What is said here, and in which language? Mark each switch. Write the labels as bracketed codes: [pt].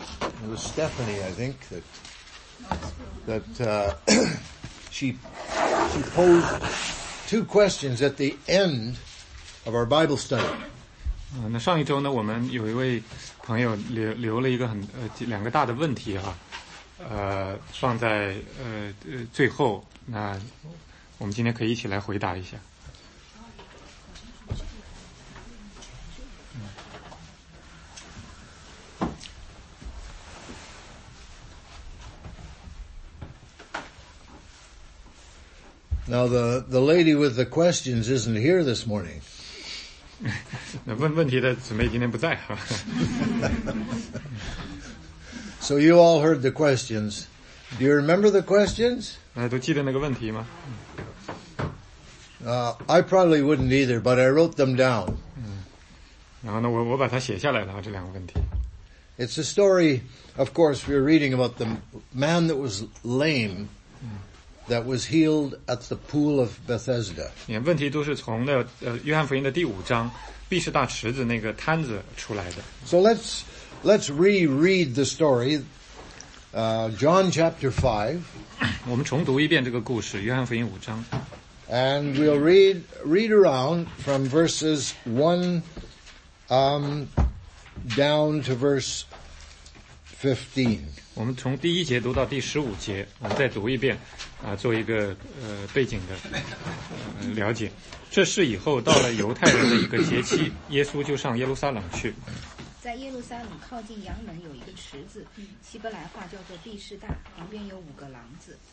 [en] It was Stephanie, I think, that she posed two questions at the end of our Bible study. [zh] 那上一周呢，我们有一位朋友留了一个很两个大的问题哈，放在最后。那我们今天可以一起来回答一下。 [en] Now the lady with the questions isn't here this morning. [zh] 那问题的姊妹今天不在。 [en] So you all heard the questions. Do you remember the questions? [zh] 都记得那个问题吗？ [en] I probably wouldn't either, but I wrote them down. [zh] 然后呢，我把它写下来了，这两个问题。 [en] It's a story, of course, we're reading about the man that was lame. That was healed at the pool of Bethesda. [zh] 问题都是从那约翰福音的第五章，毕士大池子那个摊子出来的。 [en] So let's reread the story. John chapter 5. [zh] 我们重读一遍这个故事，约翰福音五章。 [en] And we'll read around from verses 1, down to verse 15. [zh] 我们从第一节读到第十五节，我们再读一遍。做一个背景的了解。这事以后，到了犹太人的一个节期，耶稣就上耶路撒冷去。在耶路撒冷靠近羊门有一个池子，希伯来话叫做毕士大，旁边有五个廊子，